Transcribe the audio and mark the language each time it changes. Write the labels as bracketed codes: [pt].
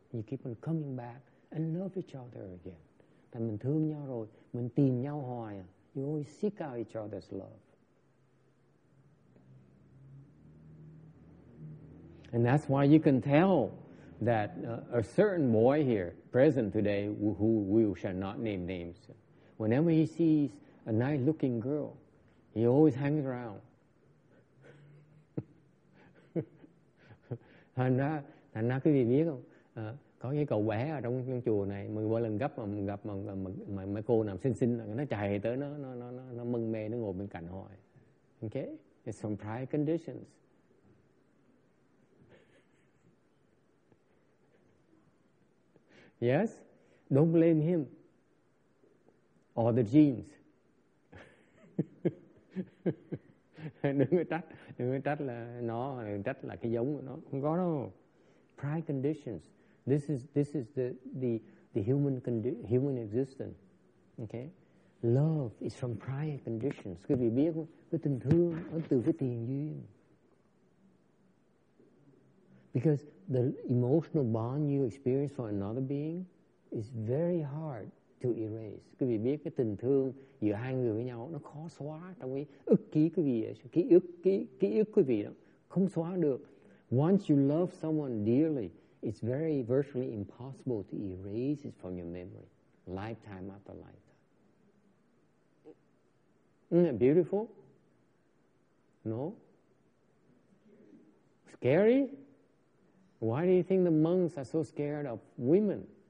[en] You keep on coming back and love each other again. [vi] Thành mình thương nhau rồi, mình tìm nhau hoài. [en] You always seek out each other's love. And that's why you can tell that a certain boy here, present today, who we shall not name names, whenever he sees a nice-looking girl, he always hangs around. [vi] Thành ra cái gì biết không? Có cái cậu bé ở trong chùa này, mỗi lần gặp mà mấy cô nằm xinh, nó chạy tới nó mừng mê, nó ngồi bên cạnh hỏi. [en] Okay? It's from prior conditions. Yes? Don't blame him. Or the genes. [vi] đừng có trách là nó, trách là cái giống của nó, không có đâu. [en] Prior conditions. This is the human human existence. Okay, love is from prior conditions. [vi] Quý vị biết không? Cái tình thương nó từ cái tiền duyên. [en] Because the emotional bond you experience for another being is very hard to erase. [vi] Quý vị biết cái tình thương giữa hai người với nhau nó khó xóa trong cái ức ký quý vị, ký ức quý vị đó không xóa được. [en] Once you love someone dearly, it's very virtually impossible to erase it from your memory, lifetime after lifetime. Isn't that beautiful? No? Scary? Why do you think the monks are so scared of women?